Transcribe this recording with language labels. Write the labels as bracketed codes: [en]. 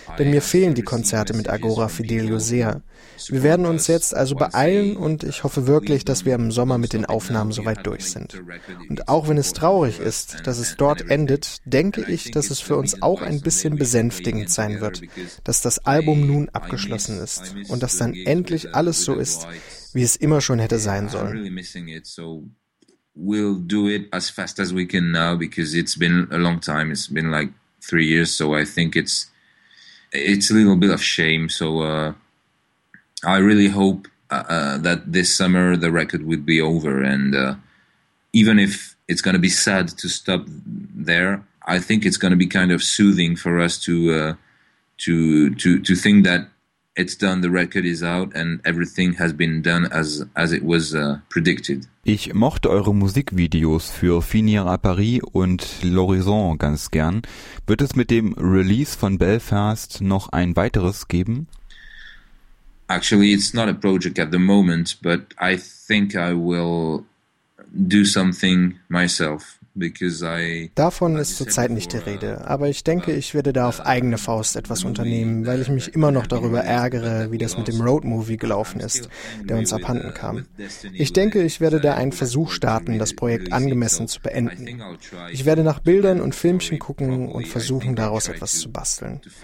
[de] Denn mir fehlen die Konzerte mit Agora Fidelio sehr. Wir werden uns jetzt also beeilen und ich hoffe wirklich, dass wir im Sommer mit den Aufnahmen soweit durch sind. Und auch wenn es traurig ist, dass es dort endet, denke ich, dass es für uns auch ein bisschen besänftigend sein wird, dass das Album nun abgeschlossen ist und dass dann endlich alles so ist, wie es immer schon hätte sein sollen. [en] We'll do it as fast as we can now, because it's been a long time. It's been like 3 years, so I think it's a little bit of shame. So I really hope that this summer the record would be over. And even if it's going to be sad to stop there, I think it's going to be kind of soothing for us to think that it's done, the record is out, and everything has been done as it was predicted. [de] Ich mochte eure Musikvideos für Finir à Paris und L'Horizon ganz gern. Wird es mit dem Release von Belfast noch ein weiteres geben? [en] Actually, it's not a project at the moment, but I think I will do something myself. [de] Davon ist zurzeit nicht die Rede, aber ich denke, ich werde da auf eigene Faust etwas unternehmen, weil ich mich immer noch darüber ärgere, wie das mit dem Roadmovie gelaufen ist, der uns abhanden kam. Ich denke, ich werde da einen Versuch starten, das Projekt angemessen zu beenden. Ich werde nach Bildern und Filmchen gucken und versuchen, daraus etwas zu basteln.